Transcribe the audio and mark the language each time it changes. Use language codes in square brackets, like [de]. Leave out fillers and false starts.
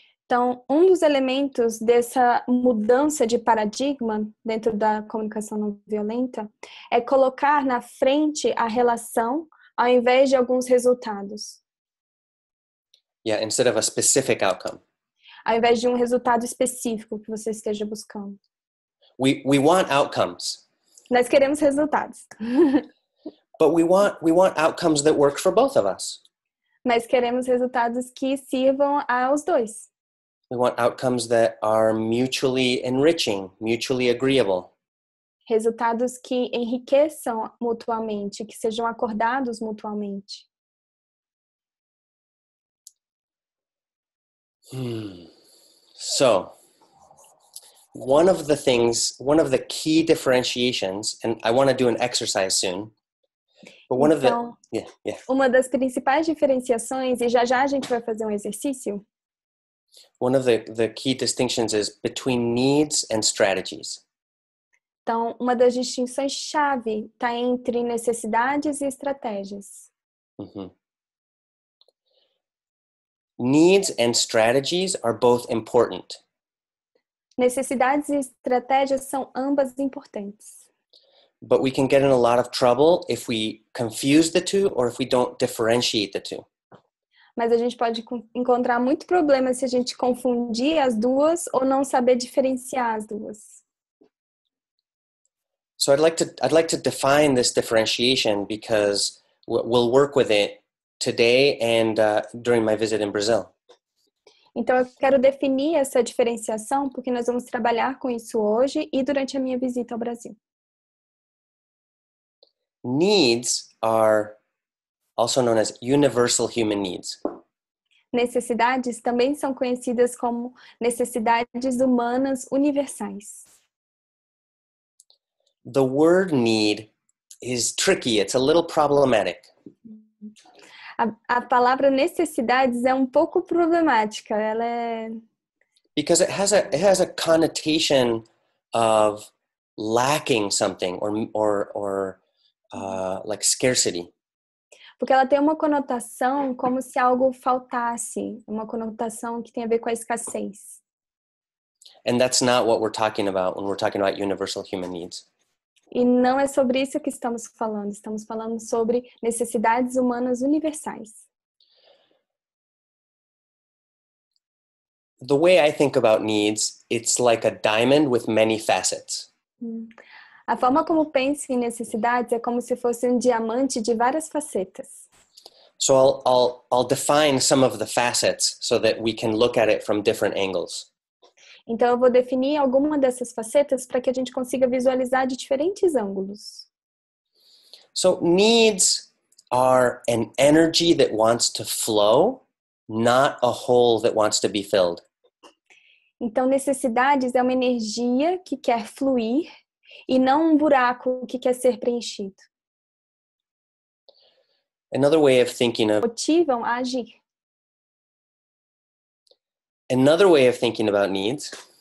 [pt] Então, dos elementos dessa mudança de paradigma dentro da comunicação não violenta é colocar na frente a relação ao invés de alguns resultados. [en] Yeah, instead of a specific outcome. [pt] Ao invés de resultado específico que você esteja buscando. [en] We want outcomes. [pt] Nós queremos resultados. [en] But we want outcomes that work for both of us. [pt] Nós queremos resultados que sirvam aos dois. [en] We want outcomes that are mutually enriching, mutually agreeable. [pt] Resultados que enriqueçam mutuamente, que sejam acordados mutuamente. [en] So, one of the key differentiations, and I want to do an exercise soon. But one of the [pt] uma das principais diferenciações, e já a gente vai fazer exercício. [en] One of the key distinctions is between needs and strategies. [pt] Então, uma das distinções chave está entre necessidades e estratégias. Uh-huh. [en] Needs and strategies are both important. [pt] Necessidades e estratégias são ambas importantes. [en] But we can get in a lot of trouble if we confuse the two or if we don't differentiate the two. [pt] Mas a gente pode encontrar muito problema se a gente confundir as duas ou não saber diferenciar as duas. [en] So I'd like to define this differentiation because we'll work with it today and during my visit in Brazil. [pt] Então, eu quero definir essa diferenciação porque nós vamos trabalhar com isso hoje e durante a minha visita ao Brasil. [en] Needs are also known as universal human needs. [pt] Necessidades também são conhecidas como necessidades humanas universais. [en] The word need is tricky. It's a little problematic. [pt] A palavra necessidades é pouco problemática. Ela é... [en] Because it has a connotation of lacking something or like scarcity. [pt] Porque ela tem uma conotação como se algo faltasse, uma conotação que tem a ver com a escassez. [en] And that's not what we're talking about when we're talking about universal human needs. [pt] E não é sobre isso que estamos falando. Estamos falando sobre necessidades humanas universais. [en] The way I think about needs, it's like a diamond with many facets. [pt] A forma como penso em necessidades é como se fosse diamante de várias facetas. [en] So I'll define some of the facets so that we can look at it from different angles. [pt] Então, eu vou definir alguma dessas facetas para que a gente consiga visualizar de diferentes ângulos. [en] So, needs are an energy that wants to flow, not a hole that wants to be filled. [pt] Então, necessidades é uma energia que quer fluir e não buraco que quer ser preenchido. [en] Another way of thinking of... [pt] Motivam a agir. [en] Another way of thinking about needs